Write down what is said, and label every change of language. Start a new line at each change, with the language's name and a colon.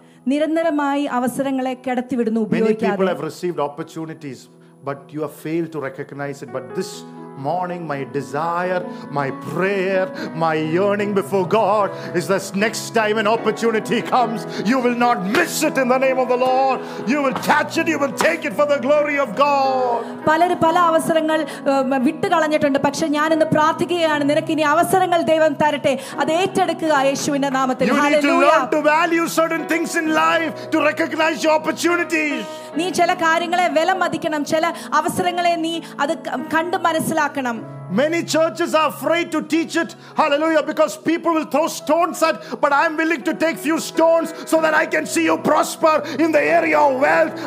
Malayalam: നിരന്തരമായി അവസരങ്ങളെ കടത്തിവിടുന്നു ഉപയോഗിക്കാതെ.
English: Many people have received opportunities, but you have failed to recognize it. But this morning, my desire, my prayer, my yearning before God is that next time an opportunity comes, you will not miss it in the name of the Lord. You will catch it, you will take it for the glory of God.
Malayalam: പലരും പല അവസരങ്ങൾ വിട്ടു കളഞ്ഞിട്ടുണ്ട്. പക്ഷേ ഞാൻ ഇന്ന് പ്രാർത്ഥിക്കുകയാണ് നിനക്ക് ഇനി അവസരങ്ങൾ ദൈവം തരട്ടെ. അത് ഏറ്റെടുക്കുക യേശുവിന്റെ നാമത്തിൽ.
English: Hallelujah. You need to learn to value certain things in life to recognize your opportunities.
Malayalam: നീ ചില കാര്യങ്ങളെ വിലമതിക്കണം. ചില അവസരങ്ങളെ നീ അത് കണ്ടു മനസ്സിലാക്കണം.
English: Many churches are afraid to teach it, hallelujah, because people will throw stones at, but I'm willing to take few stones so that I can see you prosper in the area of wealth.